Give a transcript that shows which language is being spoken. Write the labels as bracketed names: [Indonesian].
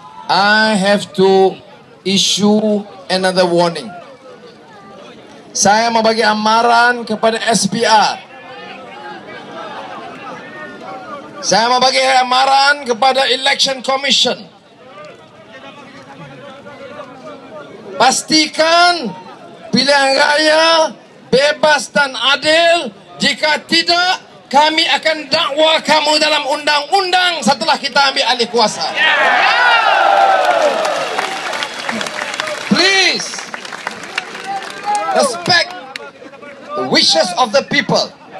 [English] I have to issue another warning. [Malay] Saya mau bagi amaran kepada SPR. Saya mau bagi amaran kepada Election Commission. Pastikan pilihan raya bebas dan adil. Jika tidak, kami akan dakwa kamu dalam undang-undang setelah kita ambil alih kuasa. [English] Please respect the wishes of the people.